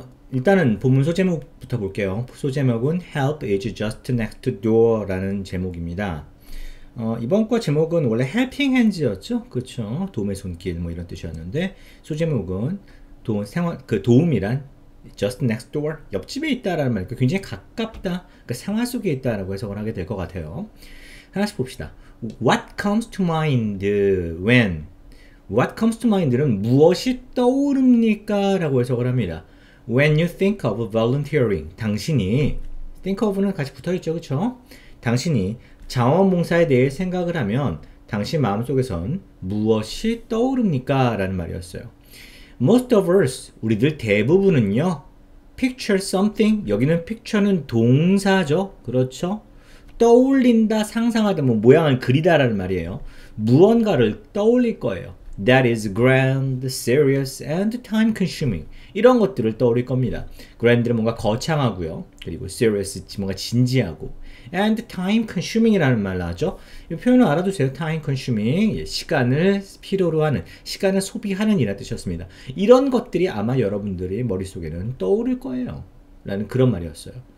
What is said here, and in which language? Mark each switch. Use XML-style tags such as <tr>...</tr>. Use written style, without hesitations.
<ko>일단은 본문 소제목부터 볼게요. 소제목은</ko> <en>Help is just next door</en> <ko>라는 제목입니다. 이번 과 제목은 원래 Helping Hands였죠? 그렇죠? 도움의 손길 뭐 이런 뜻이었는데 소제목은 도움이란</ko> <en>Just next door,</en> <ko>옆집에 있다라는 말이니까 굉장히 가깝다, 그러니까 생활 속에 있다라고 해석을 하게 될것 같아요.</ko> <en>하나씩 봅시다. What comes to mind when? What comes to mind</en> <ko>는 무엇이 떠오릅니까? 라고 해석을 합니다.</ko> <en>When you think of volunteering,</en> <ko>당신이,</ko> <en>think of는</en> <ko>같이 붙어있죠, 그쵸? 당신이 자원봉사에 대해 생각을 하면 당신 마음속에선 무엇이 떠오릅니까? 라는 말이었어요.</ko> <en>Most of us,</en> <ko>우리들 대부분은요,</ko> <en>picture something,</en> <ko>여기는 picture는 동사죠, 그렇죠? 떠올린다, 상상하다, 뭐 모양을 그리다라는 말이에요. 무언가를 떠올릴 거예요.</ko> <en>That is grand, serious, and time-consuming.</en> <ko>이런 것들을 떠올릴 겁니다. Grand는 뭔가 거창하고요. 그리고 serious, 뭔가 진지하고. And time-consuming이라는 말 나왔죠? 이 표현을 알아두세요. Time-consuming, 시간을 필요로 하는, 시간을 소비하는 이라는 뜻이었습니다. 이런 것들이 아마 여러분들의 머릿속에는 떠오를 거예요. 라는 그런 말이었어요.</ko>